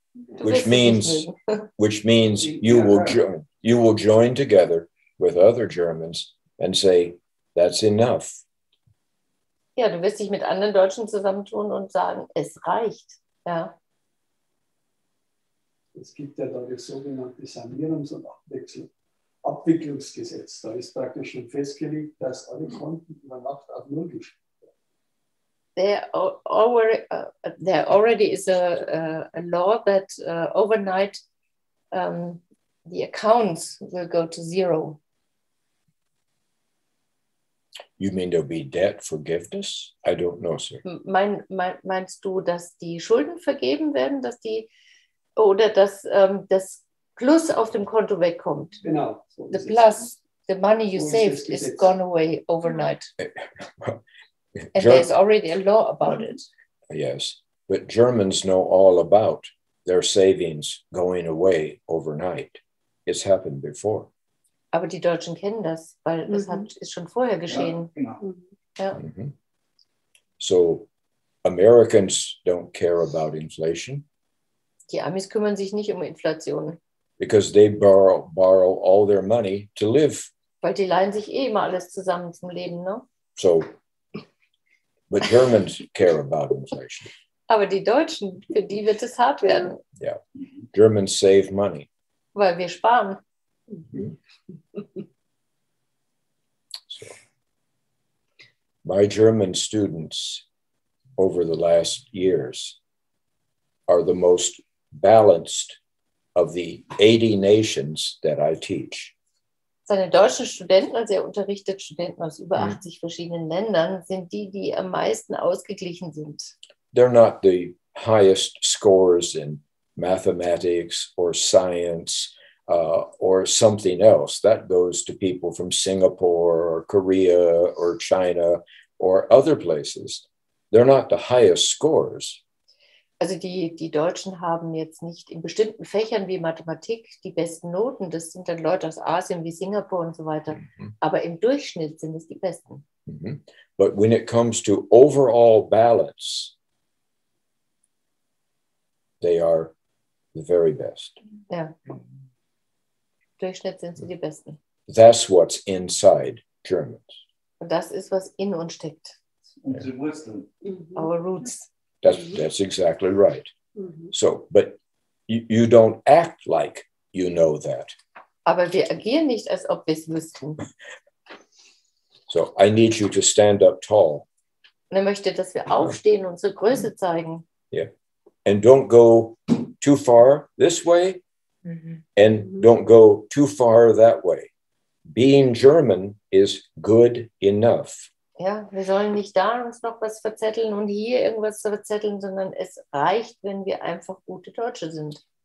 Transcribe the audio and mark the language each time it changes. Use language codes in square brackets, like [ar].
[en] Which means you will join together with other Germans and say, that's enough. [de] Ja, du wirst dich mit anderen Deutschen zusammentun und sagen, es reicht. Ja. Es gibt ja da das sogenannte Sanierungs- und Abwicklungsgesetz. Da ist praktisch schon festgelegt, dass alle Konten über Nacht auf Null geschrieben werden. [en] There already is a law that overnight the accounts will go to zero. You mean there'll be debt forgiveness? I don't know, sir. [de] Meinst du, dass die Schulden vergeben werden, dass die oder dass das Plus auf dem Konto wegkommt? Genau. [en] So the plus, it. The money you so saved is gone away overnight. And there's already a law about it. Yes, but Germans know all about their savings going away overnight. It's happened before. [de] Aber die Deutschen kennen das, weil das ist schon vorher geschehen. Ja. [en] So, Americans don't care about inflation. [de] Die Amis kümmern sich nicht um Inflation. [en] Because they borrow all their money to live. [de] Weil die leihen sich eh immer alles zusammen zum Leben, ne? [en] So, but Germans care about inflation. [de] Aber die Deutschen, für die wird es hart werden. [en] Yeah, Germans save money. [de] Weil wir sparen. [en] So, my German students over the last years are the most balanced of the 80 nations that I teach. [de] Seine deutschen Studenten, also er unterrichtet Studenten aus über 80 verschiedenen Ländern, sind die am meisten ausgeglichen sind. [en] They're not the highest scores in mathematics or science or something else. That goes to people from Singapore or Korea or China or other places. They're not the highest scores. [de] Also die Deutschen haben jetzt nicht in bestimmten Fächern wie Mathematik die besten Noten. Das sind dann Leute aus Asien wie Singapur und so weiter. Mm-hmm. Aber im Durchschnitt sind es die besten. Mm-hmm. [en] But when it comes to overall balance, they are the very best. [de] Ja. Durchschnitt sind sie die besten. [en] That's what's inside Germans. [de] Und das ist, was in uns steckt. Mm-hmm. [en] Our roots. That's exactly right. Mm-hmm. So, but you don't act like you know that. [de] Aber wir agieren nicht, als ob wir es wüssten. [en] So, I need you to stand up tall. [de] Und er möchte, dass wir aufstehen und unsere Größe zeigen. [en] Yeah. And don't go too far this way. Mm-hmm. And don't go too far that way. Being German is good enough. [de] Ja, wir sollen nicht da uns noch was verzetteln und hier irgendwas zu verzetteln, sondern es reicht, wenn wir einfach gute Deutsche sind.